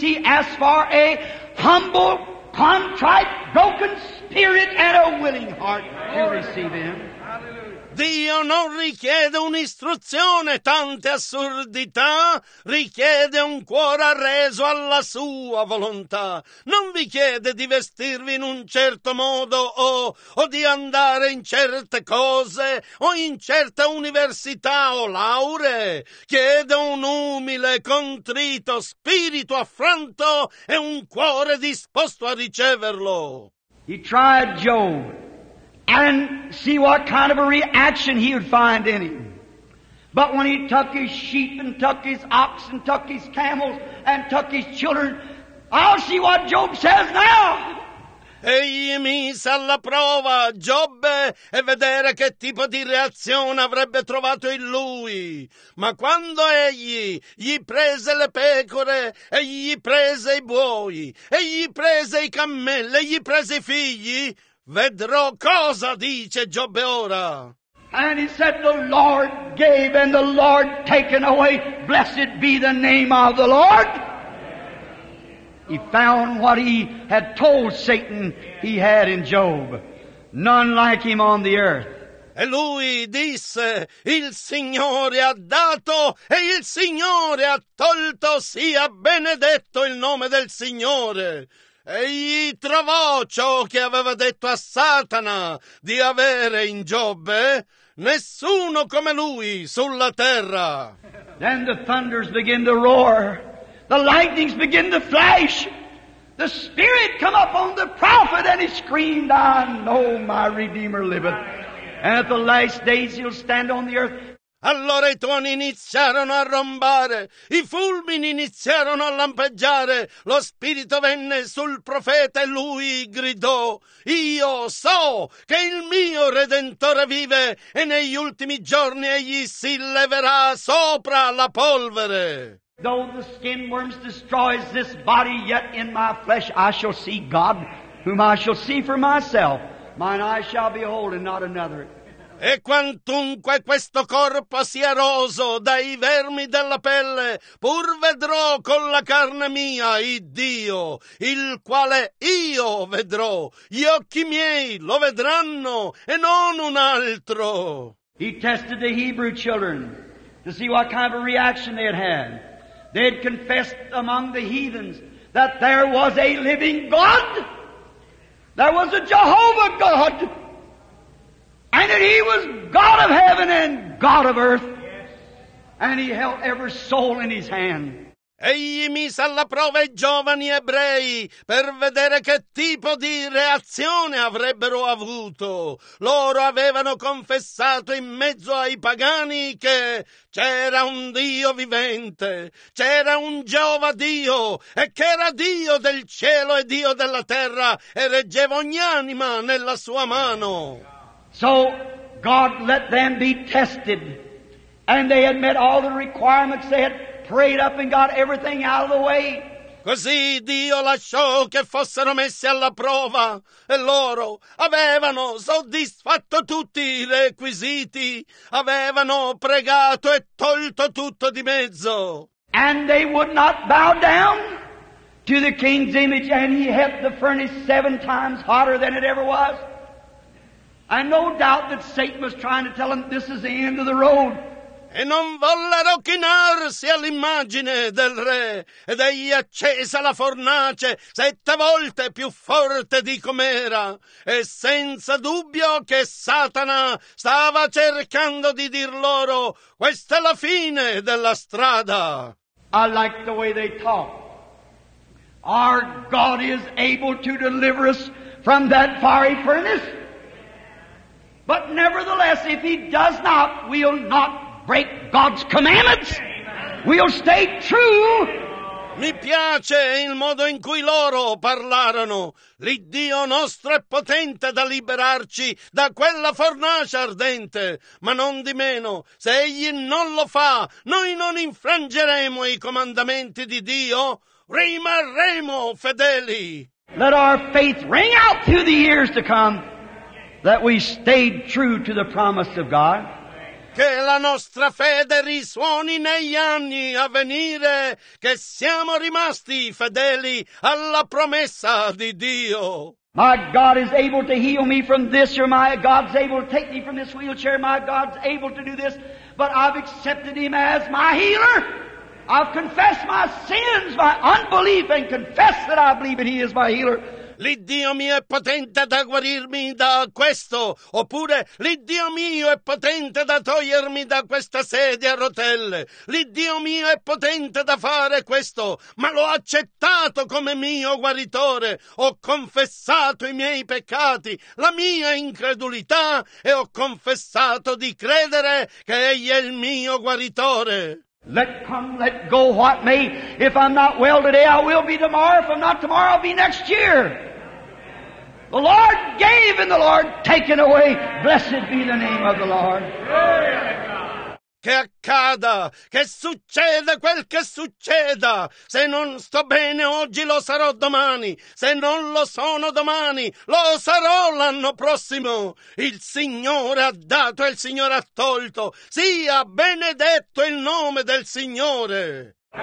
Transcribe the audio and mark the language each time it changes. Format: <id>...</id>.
<en>He asks for a humble, contrite, broken spirit and a willing heart to receive Him.</en> <it>Dio non richiede un'istruzione, tante assurdità, richiede un cuore arreso alla sua volontà. Non vi chiede di vestirvi in un certo modo o di andare in certe cose o in certe università o lauree. Chiede un umile, contrito, spirito affranto e un cuore disposto a riceverlo.</it> <en>He tried Job. And see what kind of a reaction he would find in him. But when he took his sheep and took his ox and took his camels and took his children, I'll see what Job says now.</en> <it>Egli mise alla prova Giobbe e vedere che tipo di reazione avrebbe trovato in lui. Ma quando egli gli prese le pecore, egli prese i buoi, egli prese i cammelli, egli prese i figli, vedrò cosa dice Giobbe ora.</it> <en>And he said, the Lord gave and the Lord taken away. Blessed be the name of the Lord. He found what he had told Satan he had in Job. None like him on the earth.</en> <it>E lui disse, il Signore ha dato e il Signore ha tolto. Sia benedetto il nome del Signore. Egli trovò ciò che aveva detto a Satana di avere in Giobbe, nessuno come lui sulla terra.</it> <en>Then the thunders begin to roar, the lightnings begin to flash, the spirit come upon the prophet and he screamed, I know my Redeemer liveth, and at the last days he'll stand on the earth.</en> <it>Allora i tuoni iniziarono a rombare, i fulmini iniziarono a lampeggiare, lo spirito venne sul profeta e lui gridò, io so che il mio Redentore vive e negli ultimi giorni egli si leverà sopra la polvere.</it> <en>Though the skin worms destroys this body, yet in my flesh I shall see God, whom I shall see for myself. mine eyes shall behold and not another.</en> <it>E quantunque questo corpo sia roso dai vermi della pelle, pur vedrò con la carne mia Iddio, il quale io vedrò, gli occhi miei lo vedranno e non un altro.</it> <en>He tested the Hebrew children to see what kind of a reaction they had had. They had confessed among the heathens that there was a living God. There was a Jehovah God. And that he was God of heaven and God of earth. And he held every soul in his hand.</en> <it>Egli mise alla prova i giovani ebrei per vedere che tipo di reazione avrebbero avuto. Loro avevano confessato in mezzo ai pagani che c'era un Dio vivente, c'era un Geova Dio, e che era Dio del cielo e Dio della terra, e reggeva ogni anima nella sua mano.</it> <en>So God let them be tested, and they had met all the requirements. They had prayed up and got everything out of the way.</en> <it>Così Dio lasciò che fossero messi alla prova, e loro avevano soddisfatto tutti i requisiti, avevano pregato e tolto tutto di mezzo.</it> <en>And they would not bow down to the king's image, and he had the furnace 7 times hotter than it ever was. And no doubt that Satan was trying to tell him this is the end of the road.</en> <it>E non vollero chinarsi all'immagine del re, ed egli accese la fornace 7 volte più forte di com'era, e senza dubbio che Satana stava cercando di dir loro questa è la fine della strada.</it> <en>I like the way they talk. Our God is able to deliver us from that fiery furnace. But nevertheless, if he does not, we'll not break God's commandments. We'll stay true.</en> <it>Mi piace il modo in cui loro parlarono. L'Iddio nostro è potente da liberarci da quella fornace ardente. Ma non di meno, se egli non lo fa, noi non infrangeremo i comandamenti di Dio. Rimarremo fedeli.</it> <en>Let our faith ring out through the years to come. That we stayed true to the promise of God.</en> <it>Che la nostra fede risuoni negli anni a venire, che siamo rimasti fedeli alla promessa di Dio.</it> <en>My God is able to heal me from this, or my God's able to take me from this wheelchair, my God's able to do this, but I've accepted Him as my healer. I've confessed my sins, my unbelief, and confessed that I believe that He is my healer.</en> <it>L'Iddio mio è potente da guarirmi da questo, oppure l'Iddio mio è potente da togliermi da questa sedia a rotelle. L'Iddio mio è potente da fare questo, ma l'ho accettato come mio guaritore. Ho confessato i miei peccati, la mia incredulità, e ho confessato di credere che Egli è il mio guaritore.</it> <en>Let come, let go what may. If I'm not well today, I will be tomorrow. If I'm not tomorrow, I'll be next year. The Lord gave and the Lord taken away. Blessed be the name of the Lord.</en> <it>Che accada, che succeda quel che succeda. Se non sto bene oggi, lo sarò domani. Se non lo sono domani, lo sarò l'anno prossimo. Il Signore ha dato e il Signore ha tolto. Sia benedetto il nome del Signore.</it>